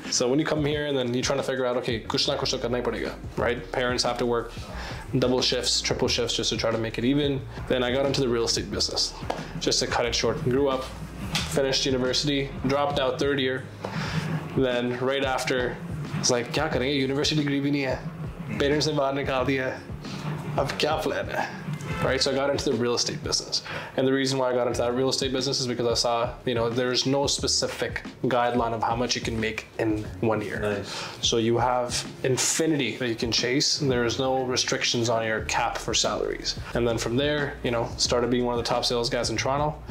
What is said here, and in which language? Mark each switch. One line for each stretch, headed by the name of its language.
English: So when you come here and then you're trying to figure out, okay,
Hindi: कुछ न कुछ तो करना ही पड़ेगा,
English: right? Parents have to work double shifts, triple shifts, just to try to make it even. Then I got into the real estate business, just to cut it short. Grew up, finished university, dropped out third year. Then right after, it's like,
Hindi: kya karenge? University degree भी नहीं है. Parents ने बाहर निकाल दिया. अब क्या plan है?
English: Right, so I got into the real estate business. And the reason why I got into that real estate business is because I saw, you know, there's no specific guideline of how much you can make in 1 year. Nice. So you have infinity that you can chase. There's no restrictions on your cap for salaries. And then from there, you know, started being one of the top sales guys in Toronto.